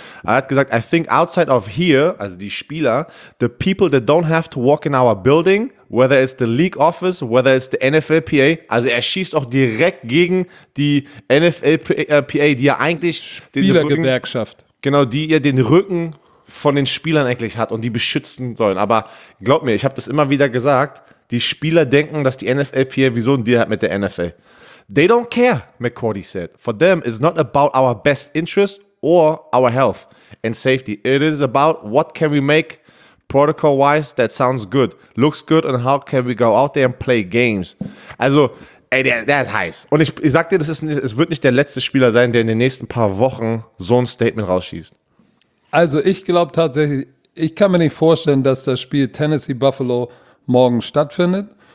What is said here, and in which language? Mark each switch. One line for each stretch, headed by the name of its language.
German: Er hat gesagt,
English: I think outside of here,
German: also die Spieler,
English: the people that don't have to walk in our building, whether it's the league office, whether it's the NFLPA,
German: also er schießt auch direkt gegen die NFLPA, die ja eigentlich Spielergewerkschaft. Genau, die ihr den Rücken von den Spielern eigentlich hat und die beschützen sollen. Aber glaub mir, ich habe das immer wieder gesagt, die Spieler denken, dass die NFLPA wieso ein Deal hat mit der NFL.
English: They don't care, McCourty said. For them, it's not about our best interest or our health and safety. It is about what can we make protocol-wise that sounds good, looks good, and how can we go out there and play games.
German: Also, ey, der ist heiß. Und ich sag dir, es wird nicht der letzte Spieler sein, der in den nächsten paar Wochen so ein Statement rausschießt. Also, ich glaube tatsächlich, ich kann mir nicht vorstellen, dass das Spiel Tennessee-Buffalo morgen stattfindet.